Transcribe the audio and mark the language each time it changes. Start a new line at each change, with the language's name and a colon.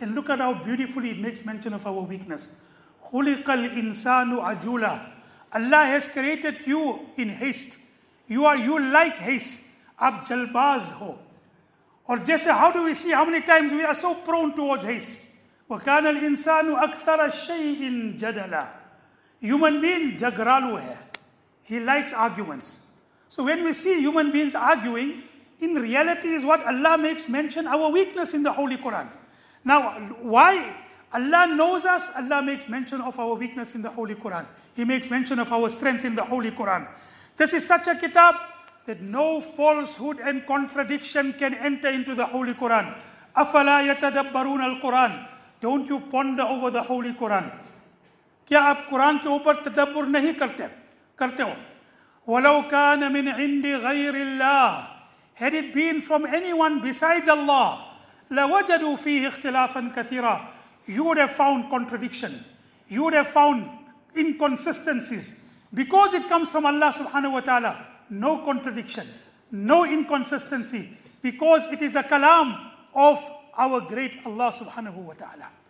English: And look at how beautifully it makes mention of our weakness.
Arabic: خُلِقَ الْإِنسَانُ عَجُولًا
English: Allah has created you in haste. You like haste.
Urdu: آپ جلباز ہو.
English: Or just how do we see how many times we are so prone towards haste?
Arabic: وَكَانَ الْإِنسَانُ أَكْثَرَ شَيْءٍ جَدَلًا
Urdu: Human being jagralu hai.
English: He likes arguments. So when we see human beings arguing, in reality is what Allah makes mention, our weakness in the Holy Quran. Now, why? Allah knows us, Allah makes mention of our weakness in the Holy Quran. He makes mention of our strength in the Holy Quran. This is such a kitab, that no falsehood and contradiction can enter into the Holy Quran.
Arabic: أَفَلَا يَتَدَبَّرُونَ الْقُرْآنِ
English: Don't you ponder over the Holy Quran.
Urdu: کیا آپ قرآن کے اوپر تدبر نہیں کرتے ہو؟
Arabic: وَلَوْ كَانَ مِنْ عِنْدِ غَيْرِ اللَّهِ
English: Had it been from anyone besides Allah,
Arabic: لوجدوا فيه اختلافا كثيرا.
English: You would have found contradiction. You would have found inconsistencies. Because it comes from Allah subhanahu wa ta'ala, no contradiction, no inconsistency, because it is the kalam of our great Allah subhanahu wa ta'ala.